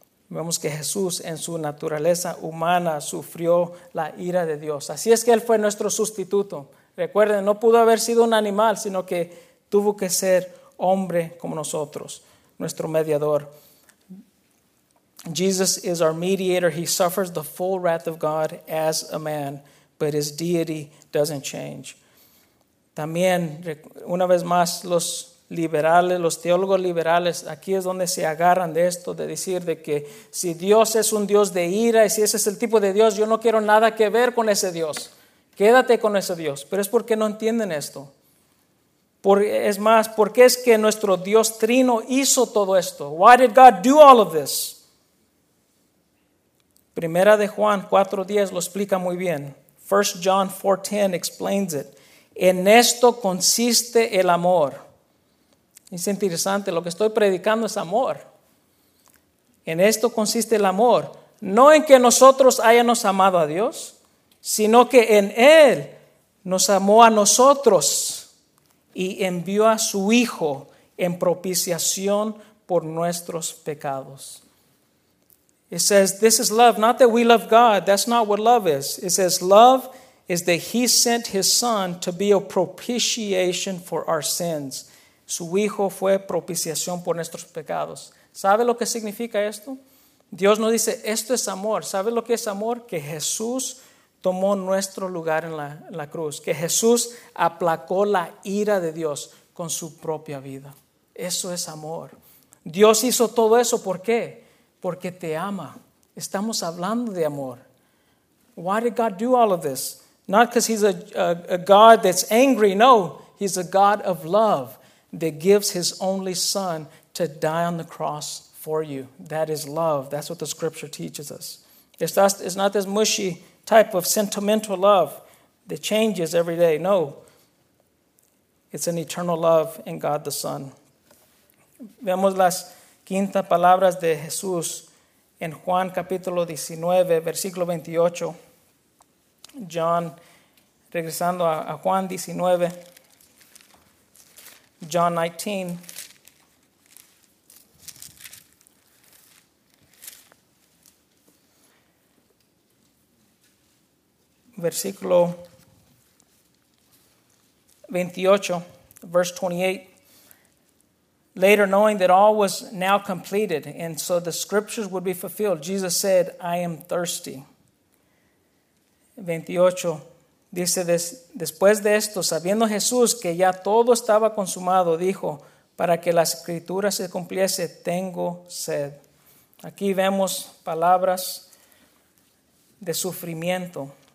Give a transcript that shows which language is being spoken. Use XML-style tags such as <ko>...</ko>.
<es>Vemos que Jesús en su naturaleza humana sufrió la ira de Dios. Así es que Él fue nuestro sustituto. Recuerden, no pudo haber sido un animal, sino que tuvo que ser hombre como nosotros, nuestro mediador.</es> <en>Jesus is our mediator. He suffers the full wrath of God as a man, but His deity doesn't change.</en> <es>También, una vez más, los liberales, los teólogos liberales, aquí es donde se agarran de esto, de decir de que si Dios es un Dios de ira y si ese es el tipo de Dios, yo no quiero nada que ver con ese Dios. Quédate con ese Dios. Pero es porque no entienden esto. ¿Por qué es que nuestro Dios trino hizo todo esto?</es> <en>Why did God do all of this?</en> <es>Primera de Juan 4:10 lo explica muy bien.</es> <en>1 John 4:10 explains it.</en> <es>En esto consiste el amor. Es interesante, lo que estoy predicando es amor. En esto consiste el amor. No en que nosotros hayamos amado a Dios, sino que en Él nos amó a nosotros y envió a su Hijo en propiciación por nuestros pecados.</es> <en>It says, this is love, not that we love God. That's not what love is. It says, love is that He sent His Son to be a propitiation for our sins.</en> <es>Su Hijo fue propiciación por nuestros pecados. ¿Sabe lo que significa esto? Dios nos dice, esto es amor. ¿Sabe lo que es amor? Que Jesús tomó nuestro lugar en la cruz. Que Jesús aplacó la ira de Dios con su propia vida. Eso es amor. Dios hizo todo eso, ¿por qué? Porque te ama. Estamos hablando de amor.</es> <en>Why did God do all of this? Not because He's a God that's angry. No, He's a God of love that gives His only Son to die on the cross for you. That is love. That's what the Scripture teaches us. It's not this mushy type of sentimental love that changes every day. No, it's an eternal love in God the Son.</en> <es>Vemos las quinta palabras de Jesús en Juan capítulo 19, versículo 28. John, regresando a Juan 19, John 19, versículo 28,</es> <en>verse 28. Later, knowing that all was now completed, and so the scriptures would be fulfilled, Jesus said, I am thirsty.</en> <es>28, dice, después de esto, sabiendo Jesús que ya todo estaba consumado, dijo, para que la escritura se cumpliese, tengo sed. Aquí vemos palabras de sufrimiento.</es>